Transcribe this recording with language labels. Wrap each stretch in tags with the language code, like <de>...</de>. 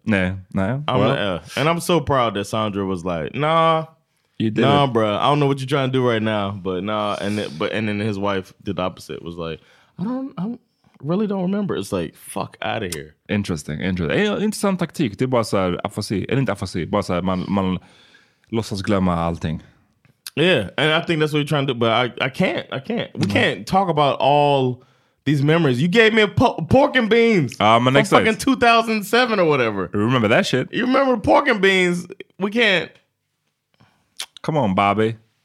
<sv>Nej, nej.</sv> <en>I'm well. And I'm so proud that Sandra was like, nah. You did. Nah, bro. I don't know what you're trying to do right now, but nah. And then his wife did the opposite. Was like, I really don't remember. It's like, fuck out of here. Interesting.</en> <sv>Intressant taktik. Det är bara så här, afasi. Eller inte afasi. Bara så här, man låtsas glömma allting.</sv> <en>Yeah, and I think that's what you're trying to do, but I can't. We can't talk about all these memories. You gave me a pork and beans. My next fucking 2007 or whatever. Remember that shit? You remember pork and beans? We can't. Come on, Bobby.</en>